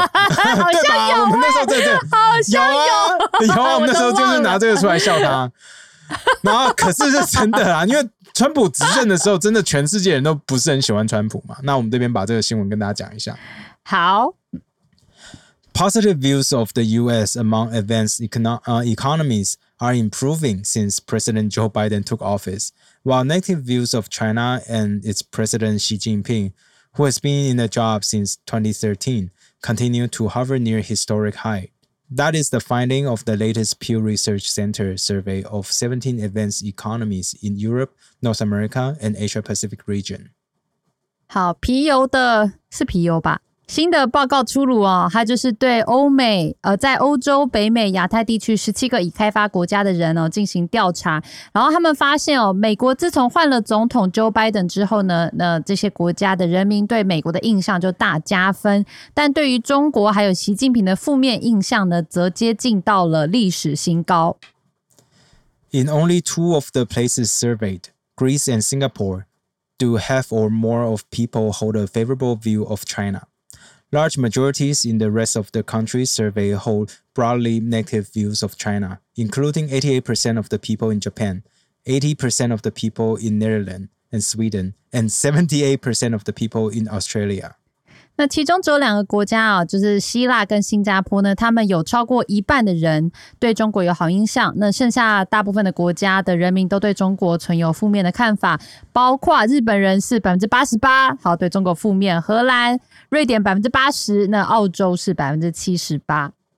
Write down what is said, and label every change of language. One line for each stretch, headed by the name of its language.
Chinese: 好像有、欸，我们那时候在这，好像有啊，我们那时候就是拿这个出来笑他。然后可是是真的啦，因为川普执政的时候，真的全世界人都不是很喜欢川普嘛。那我们这边把这个新闻跟大家讲一下。好。
English: Positive views of the U.S. among advanced economies are improving since President Joe Biden took office, while negative views of China and its President Xi Jinping, who has been in the job since 2013, continue to hover near historic high. That is the finding of the latest Pew Research Center survey of 17 advanced economies in Europe, North America, and Asia-Pacific region.
Chinese: 好，皮油的，是皮油吧？新的报告出炉哦，它就是对欧美在欧洲、北美、亚太地区17个已开发国家的人哦进行调查，然后他们发现哦，美国自从换了总统 Joe Biden 之后呢，那这些国家的人民对美国的印象就大加分，但对于中国还有习近平的负面印象呢，则接近到了历史新高。
English: In only two of the places surveyed, Greece and Singapore, do half or more of people hold a favorable view of China. Large majorities in the rest of the country survey hold broadly negative views of China, including 88% of the people in Japan, 80% of the people in Netherlands and Sweden, and 78% of the people in Australia.
Chinese: 那其中只有两个国家啊，就是希腊跟新加坡呢，他们有超过一半的人对中国有好印象。那剩下大部分的国家的人民都对中国存有负面的看法，包括日本人是88%，好，对中国负面；荷兰、瑞典80%，那澳洲是78%。